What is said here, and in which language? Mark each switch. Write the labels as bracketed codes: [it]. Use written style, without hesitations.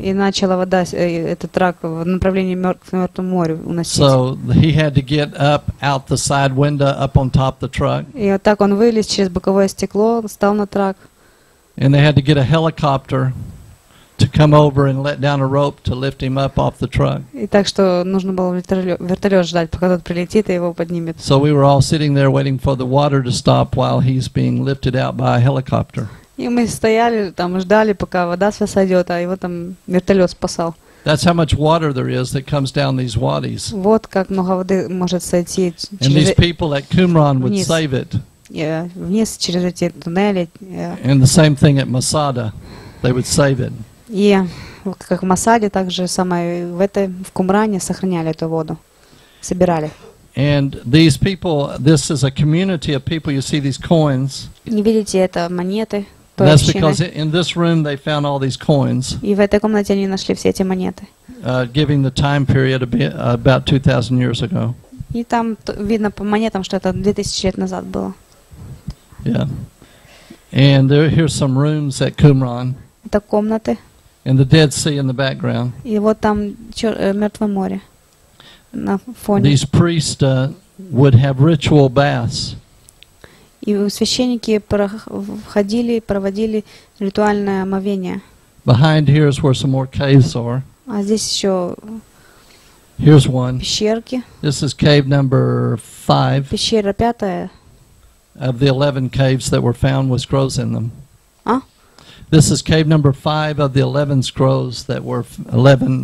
[ru] И начала вода этот трак в направлении мертвому морю уносить. [en] So he had to get up out the side window up on top of the truck. [ru] И вот так он вылез через боковое стекло, встал на трак. [en] And they had to get a helicopter to come over and let down a rope to lift him up off the truck. [ru] И так что нужно было вертолет ждать, пока тот прилетит и его поднимет. [en] So we were all sitting there waiting for the water to stop while he's being lifted out by a helicopter. [ru] И мы стояли там и ждали, пока вода сойдет, а его там вертолет спасал. [en] That's how much water there is that comes down these wadis. [ru] Вот как много воды может сойти. [en] And these people at Qumran would save it. [ru] Yeah, вниз через эти туннели. [en] And the same thing at Masada, they would save it. [ru] И как в Масаде, так же самое в этой, в Кумране сохраняли эту воду, собирали. [en] And these people, this is a community of people, you see these coins. [ru] Не видите, это монеты. [en] That's because in this room they found all these coins. [ru] И в этой комнате они нашли все эти монеты. [en] Giving the time period about 2000 years ago. [ru] И там видно по монетам, что это 2000 лет назад было. [en] Yeah. And there, here's some rooms at Qumran. [ru] Это комнаты. [en] And the Dead Sea in the background. [ru] И вот там мертвое море на фоне. [en] These priests would have ritual baths. [ru] И священники проходили, проводили ритуальное омовение. [en] Behind here is where some more caves are. [ru] А здесь еще. [en] Here's one. [ru] Пещерки. [en] This is cave number 5. [ru] Пещера пятая. [en] Of the 11 caves that were found with scrolls in them. А? This is cave number 5 of the 11 scrolls that were 11